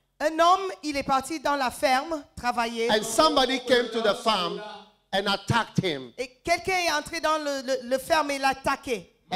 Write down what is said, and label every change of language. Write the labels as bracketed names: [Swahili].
[French] Un homme, il est parti dans la ferme travailler. [English] And somebody came to the farm and attacked him. [French] Et quelqu'un est entré dans le ferme et l'a attaqué.